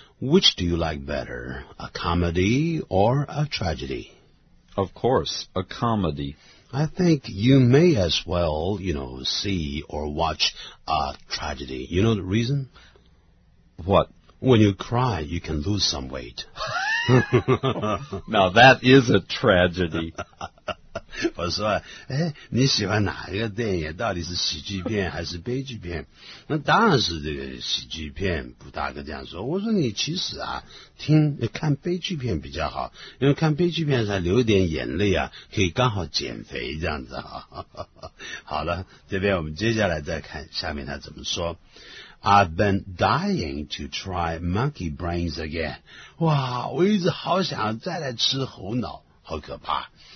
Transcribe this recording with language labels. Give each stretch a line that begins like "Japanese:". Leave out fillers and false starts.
English: Which do you like better, a comedy or a tragedy? Of course, a comedy. I think you may as well, you know, see or watch a tragedy. You know the reason? What? When you cry, you can lose some weight. Now that is a tragedy.
Chinese: 我说、啊、哎，你喜欢哪一个电影？到底是喜剧片还是悲剧片？那当然是这个喜剧片。不大哥这样说，我说你其实啊，听看悲剧片比较好，因为看悲剧片才流一点眼泪啊，可以刚好减肥这样子啊。好了，这边我们接下来再看下面他怎么说。
English: I've been dying to try monkey brains again。
Chinese: 哇，我一直好想再来吃猴脑，好可怕。